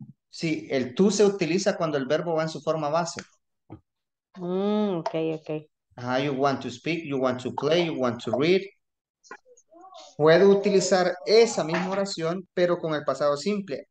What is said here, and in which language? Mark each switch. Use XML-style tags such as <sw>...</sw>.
<es>Sí, el tú se utiliza cuando el verbo va en su forma base.</es> <en>Okay. You want to speak, you want to play, you want to read.</en> <es>Puedo utilizar esa misma oración, pero con el pasado simple.</es>